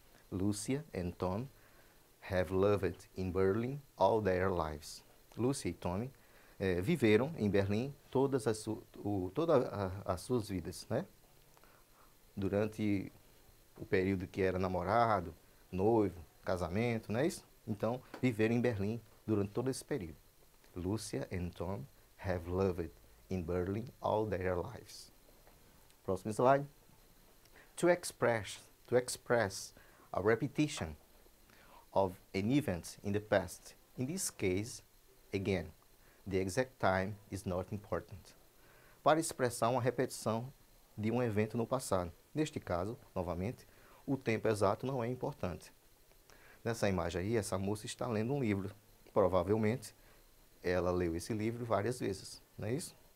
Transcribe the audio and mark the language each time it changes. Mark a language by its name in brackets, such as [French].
[English] Lucia and Tom have lived in Berlin all their lives. [Portuguese] Lucia e Tom viveram em Berlim todas as suas vidas, né? Durante o período que era namorado, noivo, casamento, não é isso? Então, viveram em Berlim durante todo esse período. [English] Lucia and Tom have lived in Berlin all their lives. [Portuguese] Próximo slide. [English] To express a repetition of an event in the past. In this case, again, the exact time is not important. [Portuguese] Para expressar uma repetição de um evento no passado. Neste caso, novamente, o tempo exato não é importante. Nessa imagem aí, essa moça está lendo um livro, provavelmente. Ela leu esse livro várias vezes, não é isso?